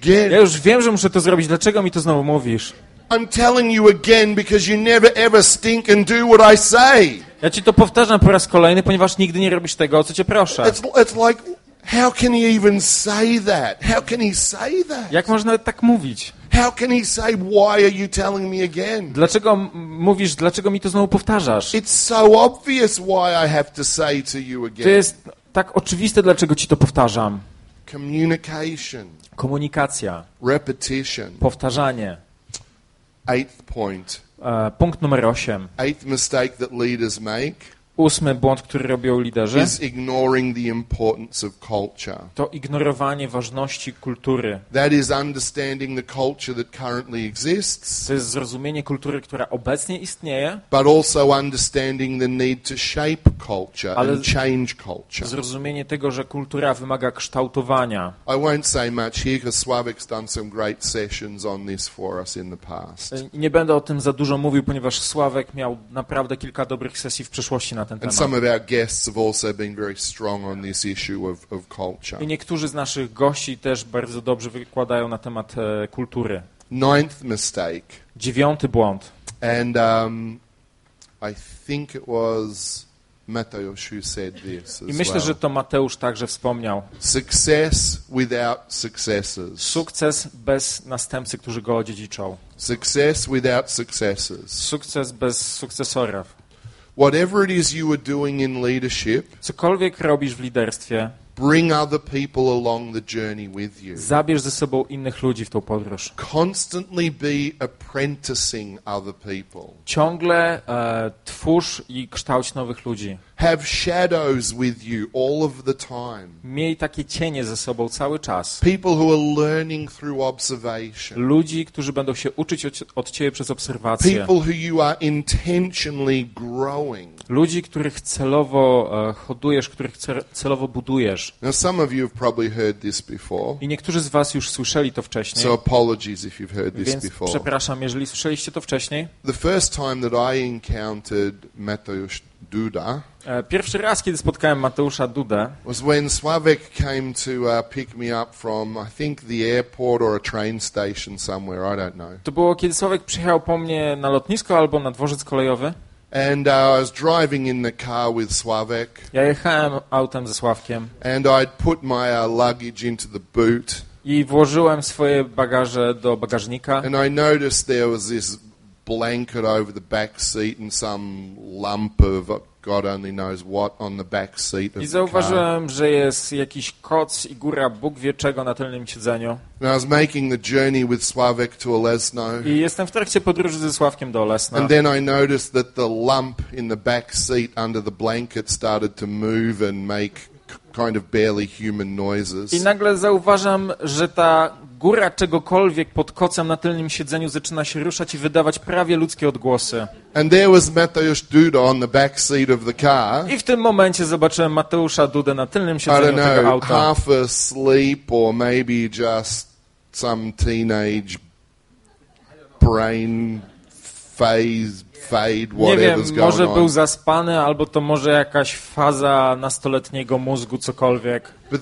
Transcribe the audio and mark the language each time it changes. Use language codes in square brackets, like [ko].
[pl] Ja już wiem, że muszę to zrobić, dlaczego mi to znowu mówisz? [en] I'm telling you again because you never ever stink and do what I say. [pl] Ja ci to powtarzam po raz kolejny, ponieważ nigdy nie robisz tego, o co cię proszę. [en] It's like, how can he even say that? How can he say that? [pl] Jak można tak mówić? [en] How can he say, why are you telling me again? [pl] Dlaczego mówisz, dlaczego mi to znowu powtarzasz? [en] It's so obvious why I have to say to you again. [pl] To jest tak oczywiste, dlaczego ci to powtarzam. [en] Communication. [pl] Komunikacja. [en] Repetition. [pl] Powtarzanie. [en] Eighth point. [pl] Punkt numer 8. [en] Eighth mistake that leaders make. [pl] Ósmy błąd, który robią liderzy, [en] is ignoring the importance of culture. [pl] To ignorowanie ważności kultury. [en] That is understanding the culture that currently exists. [pl] To jest zrozumienie kultury, która obecnie istnieje. [en] But also understanding the need to shape culture and change culture. [pl] Zrozumienie tego, że kultura wymaga kształtowania. [en] I won't say much here, because Sławek's done some great sessions on this for us in the past. [pl] Nie będę o tym za dużo mówił, ponieważ Sławek miał naprawdę kilka dobrych sesji w przeszłości. [en] And some of our guests have also been very strong on this issue of culture. [pl] I niektórzy z naszych gości też bardzo dobrze wykładają na temat kultury. [en] Ninth mistake. [pl] Dziewiąty błąd. [en] And I think it was Mateusz who said this. [pl] I myślę, że to Mateusz także wspomniał. [en] Success without successors. [pl] Sukces bez następcy, którzy go odziedziczą. [en] Success without successors. [pl] Sukces bez sukcesorów. [en] Whatever it is you are doing in leadership, [pl] cokolwiek robisz w liderstwie, [en] bring other people along the journey with you. [pl] Zabierz ze sobą innych ludzi w tą podróż. [en] Constantly be apprenticing other people. [pl] Ciągle twórz i kształć nowych ludzi. [en] Have shadows with you all of the time. [pl] Miej takie cienie ze sobą cały czas. [en] People who are learning through observation. [pl] Ludzi, którzy będą się uczyć od ciebie przez obserwację. [en] People who you are intentionally growing. [pl] Ludzi, których celowo hodujesz, których celowo budujesz. [en] Now some of you have probably heard this before. [pl] I niektórzy z was już słyszeli to wcześniej. [en] So apologies if you've heard this before. [pl] Więc przepraszam, jeżeli słyszeliście to wcześniej. [en] The first time that I encountered Mateusz Duda. [pl] Pierwszy raz, kiedy spotkałem Mateusza Dudę, [en] was when Sławek came to pick me up from, I think, the airport or a train station somewhere, I don't know. [pl] To było, kiedy Sławek przyjechał po mnie na lotnisko albo na dworzec kolejowy. [en] And I was driving in the car with Sławek. [pl] Ja jechałem autem ze Sławkiem. [en] And I'd put my luggage into the boot. [pl] I włożyłem swoje bagaże do bagażnika. [en] And I noticed there was this blanket over the back seat and some lump of God only knows what on the back seat of the [pl] car. I zauważyłem, że jest jakiś koc i góra Bóg wie czego na tylnym siedzeniu. [en] And I was making the journey with Sławek to Olesno. [pl] I jestem w trakcie podróży ze Sławkiem do Olesna. [en] And then I noticed that the lump in the back seat under the blanket started to move and make kind of barely human noises. [pl] I nagle zauważam, że ta góra czegokolwiek pod kocem na tylnym siedzeniu zaczyna się ruszać i wydawać prawie ludzkie odgłosy. [en] And there was Mateusz Duda on the back seat of the car. [pl] I w tym momencie zobaczyłem Mateusza Dudę na tylnym siedzeniu tego auta. [en] Half asleep or maybe just some teenage brain phase. [pl] Nie wiem, może był zaspany, albo to może jakaś faza nastoletniego mózgu, cokolwiek.